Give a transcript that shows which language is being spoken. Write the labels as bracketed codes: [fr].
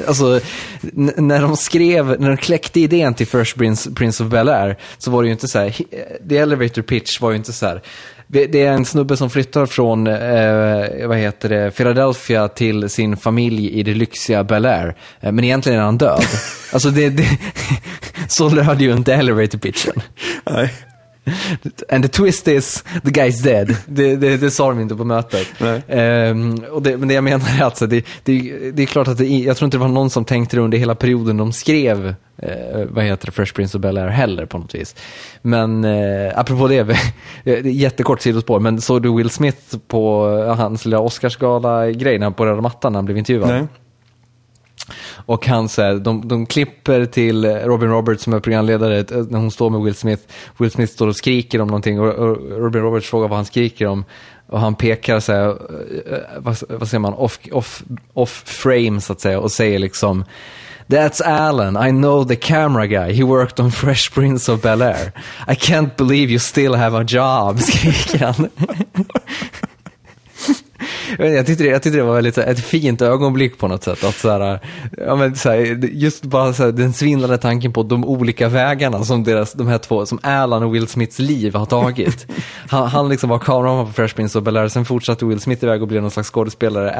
[sv] Alltså, när de kläckte idén till Fresh Prince of Bel-Air, så var det ju inte så här, the elevator pitch var ju inte så här, det är en snubbe som flyttar från Philadelphia till sin familj i det lyxiga Bel Air, men egentligen är han död. Alltså det så lärde ju inte elevator pitchen. Nej. [en] And the twist is the guy's dead. [sv] Det sa de inte på mötet. Men det jag menar är alltså det är klart att jag tror inte det var någon som tänkte det under hela perioden de skrev Fresh Prince of Bel-Air heller på något vis. Men apropå det, det är jättekort sidospår, men såg du Will Smith på hans lilla Oscarsgala grej när han på röda mattan när han blev intervjuad? Nej. Och han säger, de klipper till Robin Roberts som är programledare när hon står med Will Smith. Will Smith står och skriker om någonting och Robin Roberts frågar vad han skriker om. Och han pekar så här, vad säger man, off frame så att säga, och säger liksom: [en] "That's Alan, I know the camera guy. He worked on Fresh Prince of Bel-Air. I can't believe you still have a job," [sv] skriker han. Jag tyckte det var väldigt, ett fint ögonblick på något sätt, att så här, ja, men så här, just bara så här, den svindlande tanken på de olika vägarna som de här två, som Alan och Will Smiths liv har tagit. Han liksom var kameraman på Fresh Prince of Bel-Air, sen fortsatte Will Smith iväg och blev någon slags skådespelare.